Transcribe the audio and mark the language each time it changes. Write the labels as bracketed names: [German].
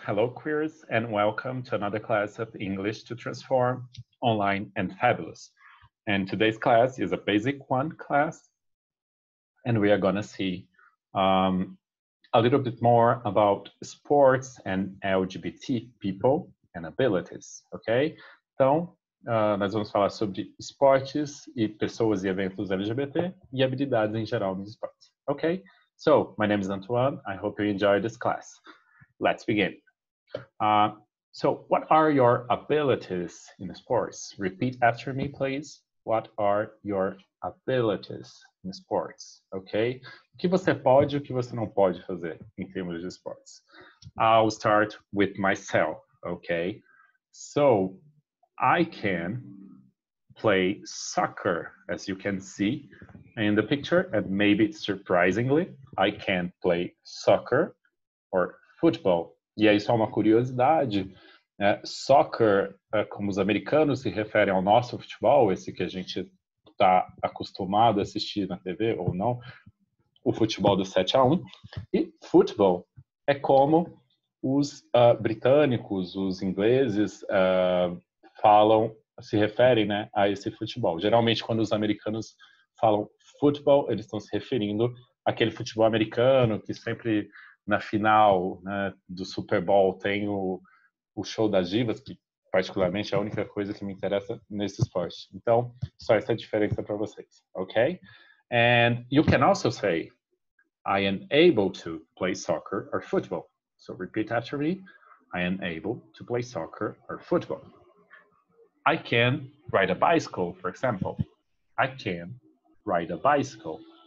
[English] Hello, queers, and welcome to another class of English to Transform, Online and Fabulous. And today's class is a basic one class, and we are going to see a little bit more about sports and LGBT people and abilities, okay? [Portuguese] Então, nós vamos falar sobre esportes e pessoas e eventos LGBT e habilidades em geral nos esportes, okay? [English] So, my name is Antouan. I hope you enjoy this class. Let's begin. So what are your abilities in sports? Repeat after me, please. What are your abilities in sports? Okay. [Portuguese] O que você pode e o que você não pode fazer em termos de esportes? [English] I'll start with myself. Okay. So I can play soccer, as you can see in the picture. And maybe surprisingly, I can play soccer or futebol. [Portuguese] E aí, só uma curiosidade, né? Soccer, como os americanos se referem ao nosso futebol, esse que a gente está acostumado a assistir na TV ou não, o futebol do 7-1, e futebol é como os britânicos, os ingleses falam, se referem, né, a esse futebol. Geralmente, quando os americanos falam futebol, eles estão se referindo àquele futebol americano que sempre... Na final, né, do Super Bowl tem o show das divas, que particularmente é a única coisa que me interessa nesse esporte. Então, só essa diferença para vocês, ok? [English] And you can also say, I am able to play soccer or football. So repeat after me, I am able to play soccer or football. I can ride a bicycle, for example. I can ride a bicycle.